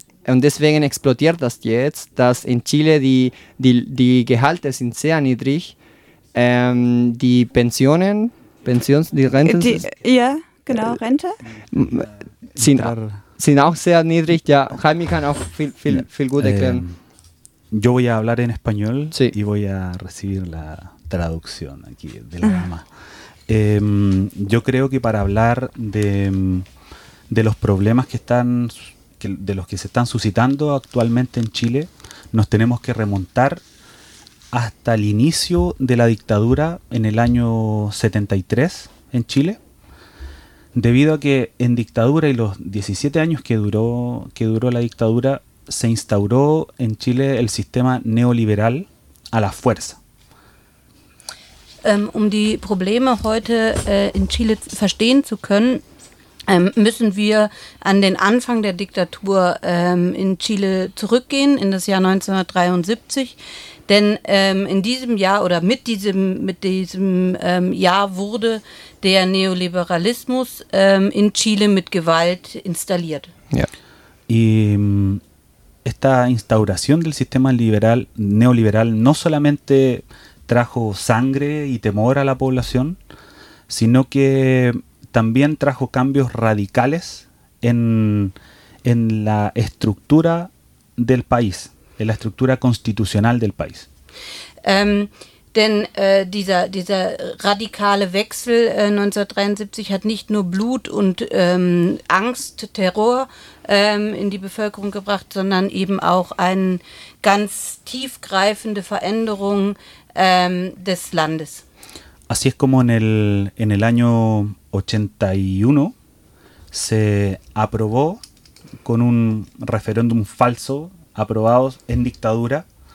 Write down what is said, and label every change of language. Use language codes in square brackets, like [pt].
[de] Und deswegen explodiert das jetzt, dass in Chile die Gehalte sind sehr niedrig. Die Renten? Rente. Sind auch sehr niedrig, ja. Jaime kann auch viel gut erklären. [es] Yo voy a hablar en español y voy a recibir la traducción aquí de la dama. Yo creo que para hablar de los problemas que se están suscitando actualmente en Chile, nos tenemos que remontar hasta el inicio de la dictadura en el año 73 en Chile, debido a que en dictadura y los 17 años que duró la dictadura, se instauró en Chile el sistema neoliberal a la fuerza. [de] Die Probleme heute in Chile verstehen zu können, müssen wir an den Anfang der Diktatur in Chile zurückgehen, in das Jahr 1973. Denn in diesem Jahr oder mit diesem Jahr wurde der Neoliberalismus in Chile mit Gewalt installiert. Ja. [es] Y esta instauración del sistema neoliberal no solamente trajo sangre y temor a la población, sino que también trajo cambios radicales en la estructura del país, en la estructura constitucional del país. [de] Denn dieser radikale Wechsel 1973 hat nicht nur Blut und Angst, Terror in die Bevölkerung gebracht, sondern eben auch eine ganz tiefgreifende Veränderung des Landes. [es] Así es como en el año 81 se aprobó con un referéndum falso aprobado en dictadura.